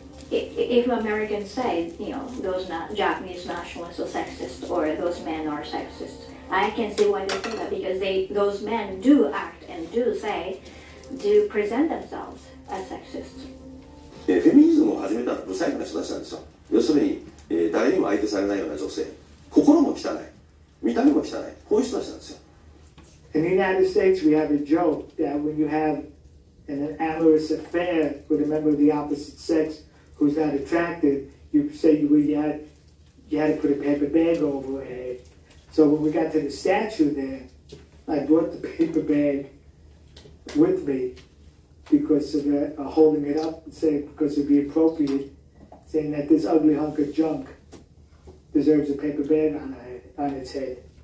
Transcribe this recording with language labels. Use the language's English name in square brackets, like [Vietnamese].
[English] If Americans say, those Japanese nationalists are sexist, or those men are sexist, I can see why they say that, because those men do act and do say, do present themselves as sexist. [Japanese] Feminism を始めたのは不細工な人たちなんですよ。要するに、誰にも相手されないような女性、心も汚い、見た目も汚い、こういう人たちなんですよ。 [English] In the United States, we have a joke that when you have an amorous affair with a member of the opposite sex who's not attractive, you say you had to put a paper bag over her head. So when we got to the statue there, I brought the paper bag with me because of holding it up and saying, because it'd be appropriate, saying that this ugly hunk of junk deserves a paper bag on its head.